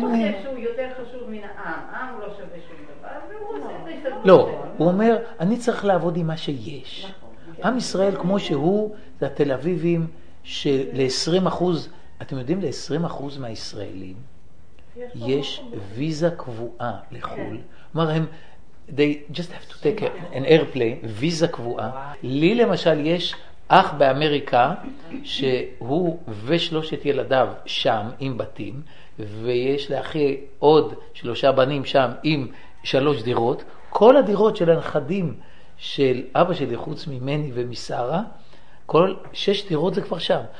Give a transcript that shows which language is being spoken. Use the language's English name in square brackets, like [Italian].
[Hebrew] הוא חושב שהוא יותר חשוב מן העם. העם לא שווה שום דבר, והוא עושה את ההסתדרות. לא, הוא אומר, אני צריך לעבוד עם מה שיש. עם ישראל כמו שהוא, זה התל אביבים של-20%, אתם יודעים, ל-20% מהישראלים יש ויזה קבועה לחול. אומר, הם... [English] they just have to take an airplane visa קבועה. [Hebrew] לי למשל יש אח באמריקה שהוא ושלושת ילדיו שם עם בתים, ויש לאחי עוד שלושה בנים שם עם שלוש דירות. כל הדירות של הנכדים של אבא שלי חוץ ממני ומסערה, כל שש דירות זה כבר שם.